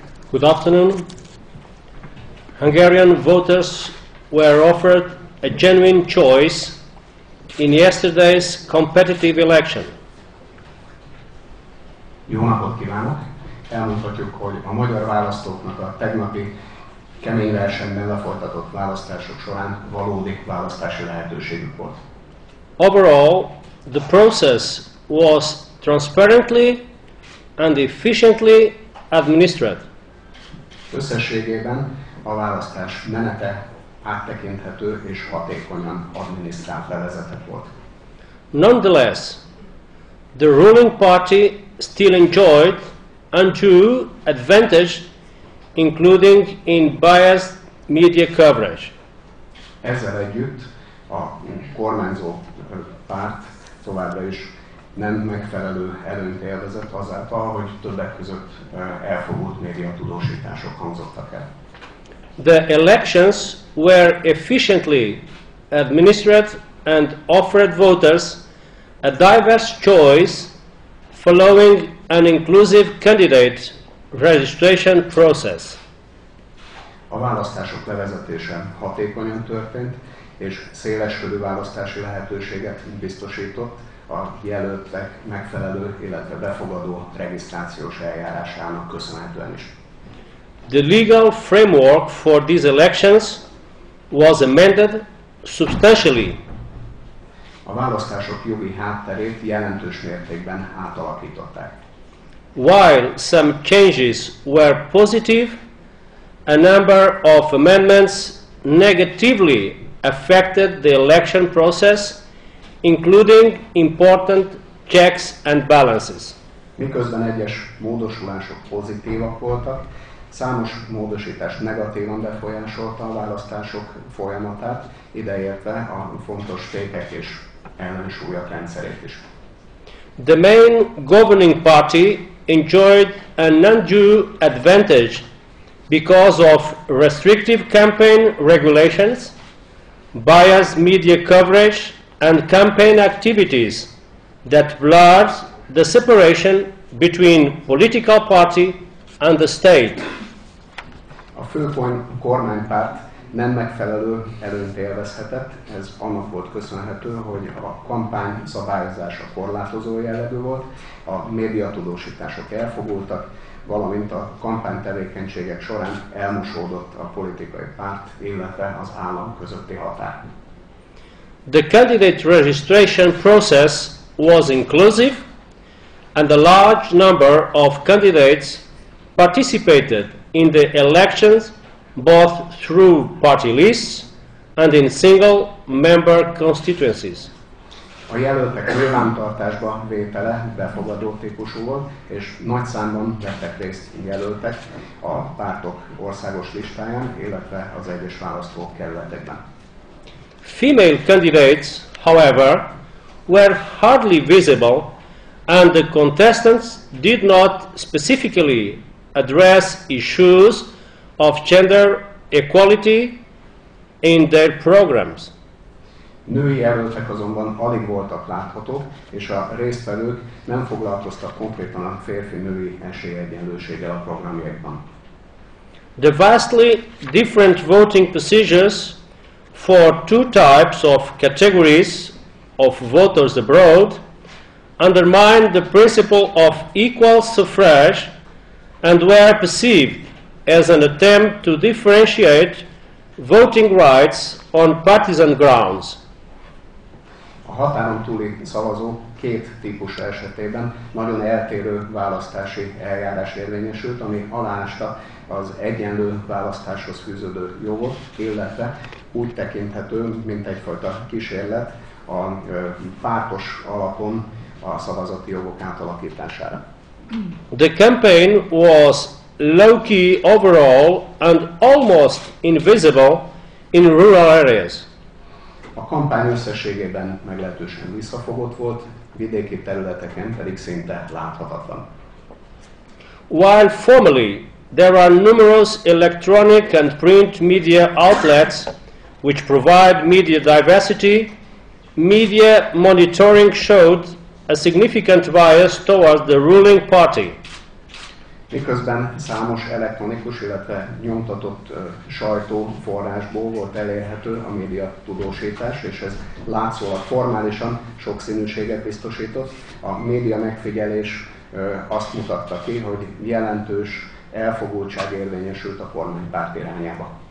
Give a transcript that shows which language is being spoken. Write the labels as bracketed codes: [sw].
[en] Good afternoon. Hungarian voters were offered a genuine choice in yesterday's competitive election. [hu] Jó napot kívánok! Elmondhatjuk, hogy a magyar választóknak a tegnapi kemény versenyben lefolytatott választások során valódi választási lehetőségük volt. [en] Overall, the process was transparently and efficiently administered. [hu] Összességében a választás menete áttekinthető és hatékonyan adminisztrált levezetett volt. [en] Nonetheless, the ruling party still enjoyed undue advantage, including in biased media coverage. [hu] Ezzel együtt a kormányzó párt továbbra is nem megfelelő előnyt élvezett azáltal, hogy többek között elfogult média tudósítások hangzottak el. [en] The elections were efficiently administered and offered voters a diverse choice following an inclusive candidate registration process. [hu] A választások levezetése hatékonyan történt, és széleskörű választási lehetőséget biztosított a jelöltek megfelelő, illetve befogadó regisztrációs eljárásának köszönhetően is. [en] The legal framework for these elections was amended substantially. [hu] A választások jogi hátterét jelentős mértékben átalakították. [en] While some changes were positive, a number of amendments negatively affected the election process, including important checks and balances. [hu] Miközben egyes módosulások pozitívak voltak, számos módosítás negatívan befolyásolta a választások folyamatát, ideértve a fontos tétek és ellensúlyok rendszerét is. [en] The main governing party enjoyed an undue advantage because of restrictive campaign regulations, biased media coverage and campaign activities that blurred the separation between political party and the state. [hu] A főpont kormánypárt nem megfelelő előnyt élvezhetett, ez annak volt köszönhető, hogy a kampány szabályozása korlátozó jellegű volt, a médiatudósítások elfogultak, valamint a kampány tevékenységek során elmosódott a politikai párt, illetve az állam közötti határ. [en] The candidate registration process was inclusive, and a large number of candidates participated in the elections both through party lists and in single member constituencies. [hu] A jelöltek nyilvántartásba vétele befogadó típusú volt, és nagy számban vettek részt jelöltek a pártok országos listáján, illetve az egyes választókerületekben. [en] Female candidates, however, were hardly visible and the contestants did not specifically address issues of gender equality in their programs. [hu] Női jelöltek azonban alig voltak láthatók, és a résztvevők nem foglalkoztak konkrétan a férfi-női esélyegyenlőséggel a programjaikban. [en] The vastly different voting procedures for two types of categories of voters abroad undermined the principle of equal suffrage and were perceived as an attempt to differentiate voting rights on partisan grounds. [hu] A határon túli szavazó két típusa esetében nagyon eltérő választási eljárás érvényesült, ami aláásta az egyenlő választáshoz fűződő jogot, illetve úgy tekinthető, mint egyfajta kísérlet a pártos alapon a szavazati jogok átalakítására. [en] The campaign was low-key overall and almost invisible in rural areas. [hu] A kampány összességében meglehetősen visszafogott volt, vidéki területeken pedig szinte láthatatlan. [en] While formally there are numerous electronic and print media outlets which provide media diversity, media monitoring showed a significant bias towards the ruling party. [hu] Miközben számos elektronikus, illetve nyomtatott sajtóforrásból volt elérhető a média tudósítás, és ez látszólag formálisan sok színűséget biztosított, a média megfigyelés azt mutatta ki, hogy jelentős elfogultság érvényesült a kormánypárt irányába.